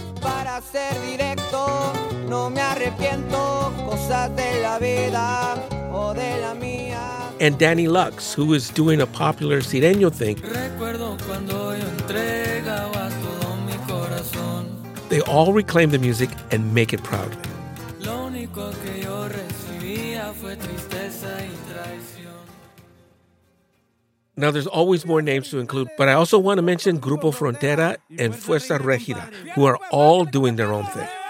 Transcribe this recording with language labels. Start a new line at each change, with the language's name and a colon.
Spanish: Para ser directo, no me arrepiento, cosas de la vida o de la mía.
English: And Danny Lux, who is doing a popular sireño thing.
Spanish: Recuerdo cuando yo entregaba todo mi corazón.
English: They all reclaim the music and make it proud.
Spanish: Lo único que yo recibía fue tristeza y traición.
English: Now, there's always more names to include, but I also want to mention Grupo Frontera and Fuerza Regida, who are all doing their own thing.